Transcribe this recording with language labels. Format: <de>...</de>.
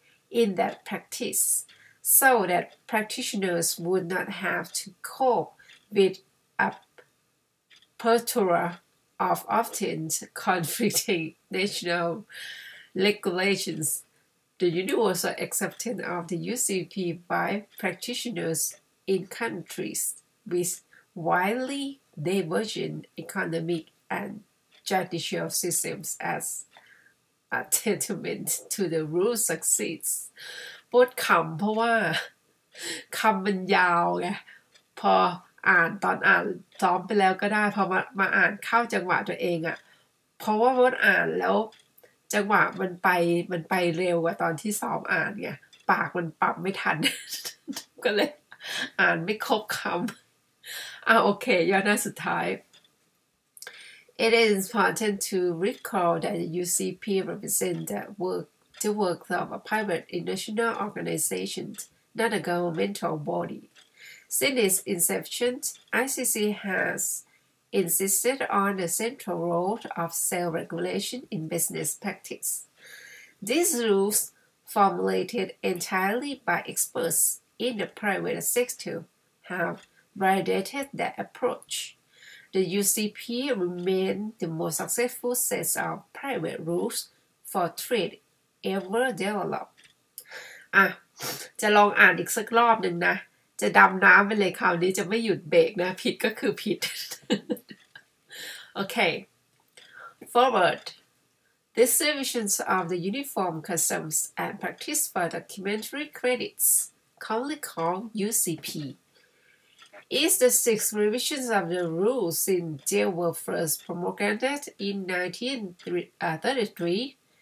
<en>In that practice, so that practitioners would not have to cope with a plethora of often conflicting national regulations, the universal acceptance of the UCP by practitioners in countries with widely divergent economic and judicial systems as. Attentment to the rule succeeds</en> <th>พูดคำเพราะว่าคำมันยาวไงพออ่านตอนอ่านซ้อมไปแล้วก็ได้พอมาอ่านเข้าจังหวะตัวเองอ่ะ เพราะว่าเมื่ออ่านแล้วจังหวะมันไปเร็วกว่าตอนที่ซ้อมอ่านไงปากมันปรับไม่ทันก็เลยอ่านไม่ครบคำโอเคย่อหน้าสุดท้าย</th> <en>It is important to recall that UCP represent that work to work of a private international organization, not a governmental body. Since its inception, ICC has insisted on the central role of self-regulation in business practice. These rules, formulated entirely by experts in the private sector, have validated that approach. The UCP remains the most successful set of private rules for trade ever developed.</en> <th>จะลองอ่านอีกสักรอบหนึ่งนะจะดำน้ำไปเลยคราวนี้จะไม่หยุดเบรกนะผิดก็คือผิด Okay.</th> <en>Foreword. The provisions of the Uniform Customs and Practice for Documentary Credits, commonly called UCP, is the sixth revision of the rules since they were first promulgated in 1933.</en>